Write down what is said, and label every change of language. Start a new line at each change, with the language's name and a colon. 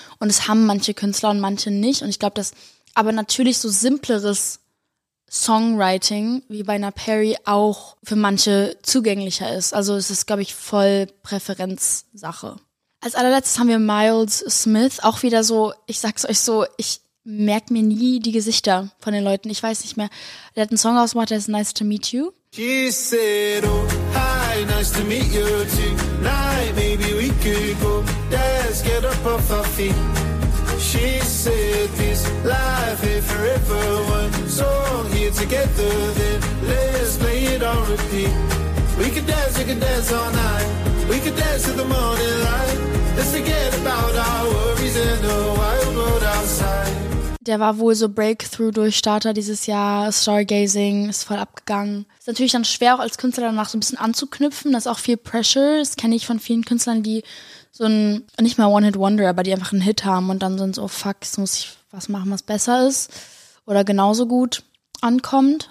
German: Und es haben manche Künstler und manche nicht. Und ich glaube, dass aber natürlich so simpleres Songwriting wie bei einer Perry auch für manche zugänglicher ist. Also es ist, glaube ich, voll Präferenzsache. Als allerletztes haben wir Miles Smith. Auch wieder so, ich sag's euch so, ich merke mir nie die Gesichter von den Leuten. Ich weiß nicht mehr. Der hat einen Song ausgemacht, der ist Nice to Meet You.
English: She said, oh, hi, nice to meet you tonight. Maybe we could go dance, get up off our feet. She said, this life here forever. One song here together, then let's play it on repeat. We could dance all night. We could dance in the morning light. Let's forget about our worries and the wild world outside.
German: Der war wohl so Breakthrough-Durchstarter dieses Jahr. Stargazing ist voll abgegangen. Ist natürlich dann schwer, auch als Künstler danach so ein bisschen anzuknüpfen. Das ist auch viel Pressure. Das kenne ich von vielen Künstlern, die so ein, nicht mal One-Hit-Wonder, aber die einfach einen Hit haben und dann sind so, fuck, jetzt muss ich was machen, was besser ist oder genauso gut ankommt.